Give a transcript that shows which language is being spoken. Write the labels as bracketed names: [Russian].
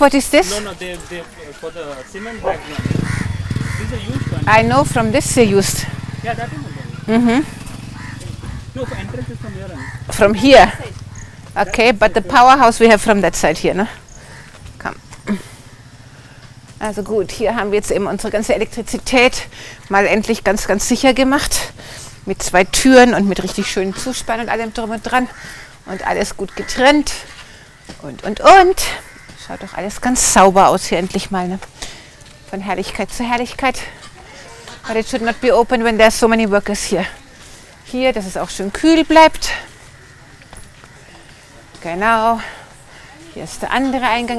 [English] What is this? No, they for the cement bag. This is a used one. I know from this they used. Yeah, that is the one. Mm-hmm. No, for entrance is from here. From here? Okay, but the powerhouse we have from that side here, no? [German] Also gut, hier haben wir jetzt eben unsere ganze Elektrizität mal endlich ganz, ganz sicher gemacht. Mit 2 Türen und mit richtig schönen Zuspann und allem drum und dran. Und alles gut getrennt. Und. Schaut doch alles ganz sauber aus hier endlich mal. Ne? Von Herrlichkeit zu Herrlichkeit. [English] But it should not be open when there are so many workers here. [German] Hier, dass es auch schön kühl bleibt. Genau. Hier ist der andere Eingang.